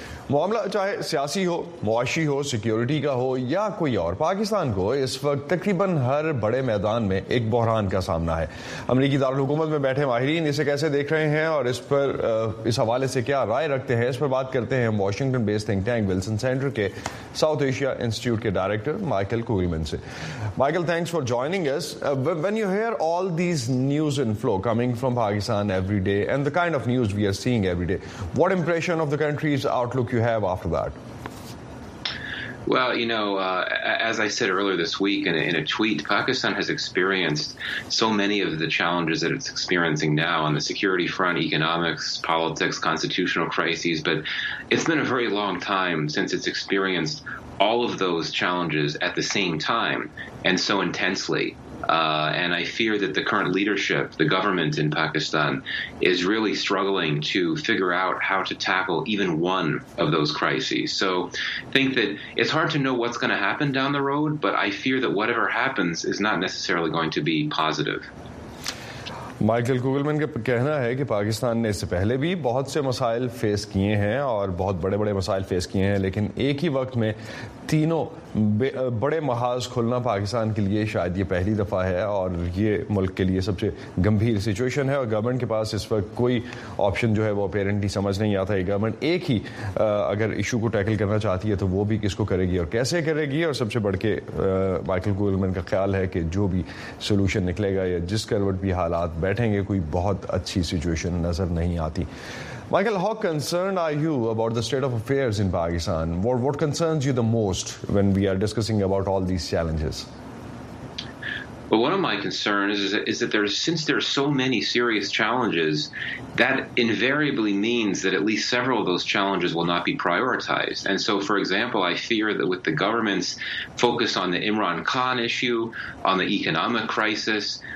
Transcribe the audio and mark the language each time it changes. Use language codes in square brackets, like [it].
[ur] معاملہ چاہے سیاسی ہو، معاشی ہو، سیکیورٹی کا ہو یا کوئی اور، پاکستان کو اس وقت تقریباً ہر بڑے میدان میں ایک بحران کا سامنا ہے۔ امریکی دارالحکومت میں بیٹھے ماہرین اسے کیسے دیکھ رہے ہیں اور اس حوالے سے کیا رائے رکھتے ہیں، اس پر بات کرتے ہیں واشنگٹن بیس تھنک ٹینک ولسن سینٹر کے ساؤتھ ایشیا انسٹیٹیوٹ کے ڈائریکٹر مائیکل کوگلمن سے۔ [en] Michael, thanks for joining us. When you hear all these news in flow coming from Pakistan every day and the kind of news we are seeing every day, what impression of the country's outlook you have after that? Well, you know, as I said earlier this week in a tweet, Pakistan has experienced so many of the challenges that it's experiencing now on the security front, economics, politics, constitutional crises, but it's been a very long time since it's experienced all of those challenges at the same time and so intensely. And I fear that the current leadership, the government in Pakistan, is really struggling to figure out how to tackle even one of those crises. So I think that it's hard to know what's going to happen down the road, but I fear that whatever happens is not necessarily going to be positive. [ur] Michael کوگلمن کا کہنا ہے کہ پاکستان نے اس سے پہلے بھی بہت سے مسائل فیس کیے ہیں اور بہت بڑے بڑے مسائل فیس کیے ہیں، لیکن ایک ہی وقت میں تینوں بڑے محاذ کھلنا پاکستان کے لیے شاید یہ پہلی دفعہ ہے، اور یہ ملک کے لیے سب سے گمبھیر سچویشن ہے، اور گورنمنٹ کے پاس اس وقت کوئی آپشن جو ہے وہ اپیرنٹلی سمجھ نہیں آتا۔ یہ گورنمنٹ ایک ہی اگر ایشو کو ٹیکل کرنا چاہتی ہے تو وہ بھی کس کو کرے گی اور کیسے کرے گی، اور سب سے بڑھ کے مائیکل کوگلمن کا خیال ہے کہ جو بھی سولوشن نکلے گا یا جس کروٹ بھی حالات بیٹھیں گے کوئی بہت اچھی سچویشن نظر نہیں آتی۔ [en] Michael, how concerned are you about the state of affairs in Pakistan? What concerns you the most when we are discussing about all these challenges? Well, one of my concerns is that since there are so many serious challenges, that invariably means that at least several of those challenges will not be prioritized. And so, for example, I fear that with the government's focus on the Imran Khan issue, on the economic crisis,